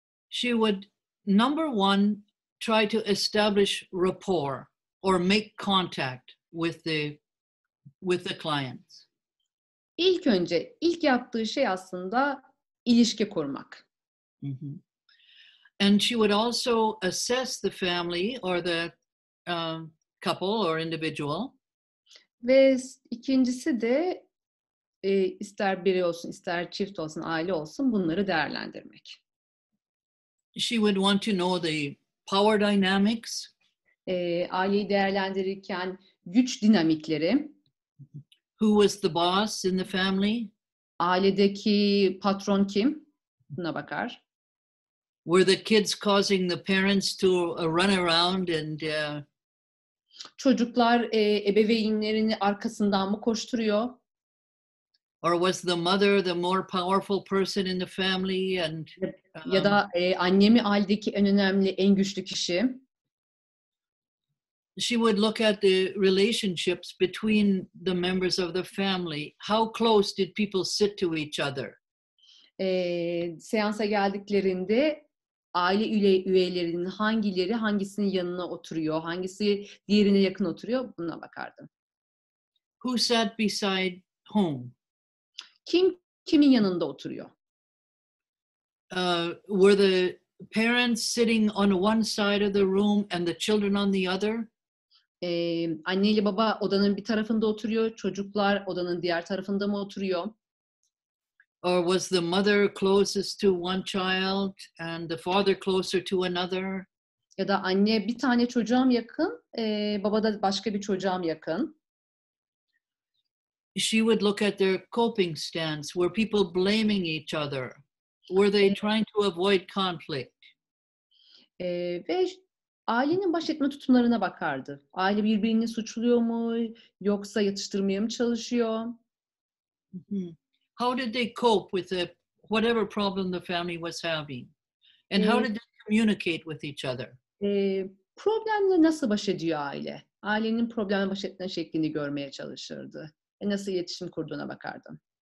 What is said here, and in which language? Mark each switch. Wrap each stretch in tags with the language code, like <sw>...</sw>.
<en>She would, number one, try to establish rapport or make contact with the clients.</en> <tr>İlk önce, ilk yaptığı şey aslında ilişki kurmak. Mm-hmm.</tr> <en>And she would also assess the family or the couple or individual.</en> <tr>Ve ikincisi de ister biri olsun, ister çift olsun, aile olsun, bunları değerlendirmek.</tr> <en>She would want to know the power dynamics.</en> <tr>Aileyi değerlendirirken güç dinamikleri.</tr> <en>Who was the boss in the family?</en> <tr>Ailedeki patron kim? Buna bakar.</tr> <en>Were the kids causing the parents to run around and</en> <tr>çocuklar ebeveynlerini arkasından mı koşturuyor?</tr> <en>Or was the mother the more powerful person in the family and</en> <tr>ya da anne mi ailedeki en önemli en güçlü kişi?</tr> <en>She would look at the relationships between the members of the family. How close did people sit to each other?</en> <tr>Seansa geldiklerinde aile üyelerinin hangileri hangisinin yanına oturuyor, hangisi diğerine yakın oturuyor, buna bakardım.</tr> <en>Who sat beside whom?</en> <tr>Kim kimin yanında oturuyor?</tr> <en>Were the parents sitting on one side of the room and the children on the other?</en> <tr>Anne ile baba odanın bir tarafında oturuyor, çocuklar odanın diğer tarafında mı oturuyor?</tr> <en>Or was the mother closest to one child and the father closer to another?</en> <tr>Ya da anne bir tane çocuğa mı yakın, baba da başka bir çocuğa mı yakın?</tr> <en>She would look at their coping stance. Were people blaming each other? Were they trying to avoid conflict?</en> <tr>Ve ailenin baş etme tutumlarına bakardı. Aile birbirini suçluyor mu, yoksa yatıştırmaya mı çalışıyor?</tr> <en>How did they cope with the whatever problem the family was having? And how did they communicate with each other?</en> <tr>Problemle nasıl baş ediyor aile? Ailenin problemle baş etme şeklini görmeye çalışırdı. Nasıl iletişim kurduğuna bakardım.</tr>